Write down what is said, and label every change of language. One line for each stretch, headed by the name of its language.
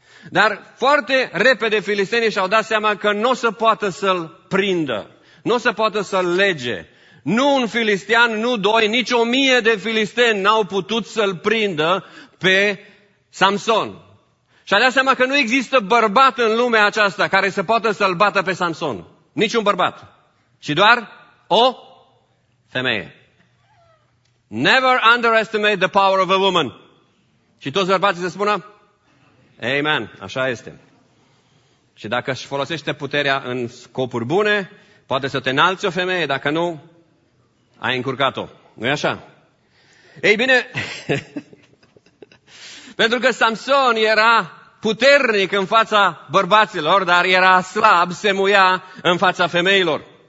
Romanian: Dar foarte repede filistenii și-au dat seama că nu o să poată să-l prindă, nu o să poată să-l lege. Nu un filistean, nu doi, nici 1000 de filisteni n-au putut să-l prindă pe Samson. Și-a dat seama că nu există bărbat în lumea aceasta care să poată să-l bată pe Samson. Niciun bărbat. Ci doar o femeie.
English: Never underestimate the power of a woman.
Romanian: Și toți bărbații să spună? Amen. Așa este. Și dacă își folosește puterea în scopuri bune, poate să te înalți o femeie, dacă nu, ai încurcat-o. Nu-i așa? Ei bine, pentru că Samson era puternic în fața bărbaților, dar era slab, se muia în fața femeilor.